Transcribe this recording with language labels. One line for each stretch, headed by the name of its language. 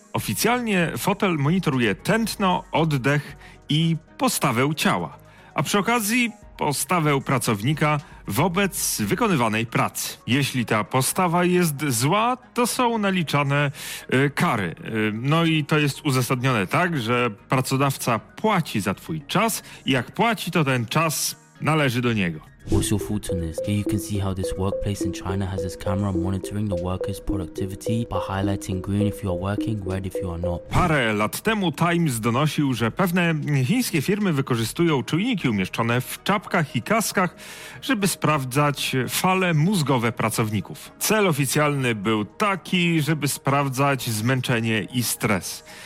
Polish: Oficjalnie fotel monitoruje tętno, oddech i postawę ciała, a przy okazji postawę pracownika wobec wykonywanej pracy. Jeśli ta postawa jest zła, to są naliczane kary. No i to jest uzasadnione tak, że pracodawca płaci za twój czas i jak płaci, to ten czas należy do niego.
English: What's your thoughts on this? Here you can see how this workplace in China has this camera monitoring the workers' productivity by highlighting green if you are working, red if you are not.
Polish: Parę lat temu Times donosił, że pewne chińskie firmy wykorzystują czujniki umieszczone w czapkach i kaskach, żeby sprawdzać fale mózgowe pracowników. Cel oficjalny był taki, żeby sprawdzać zmęczenie i stres.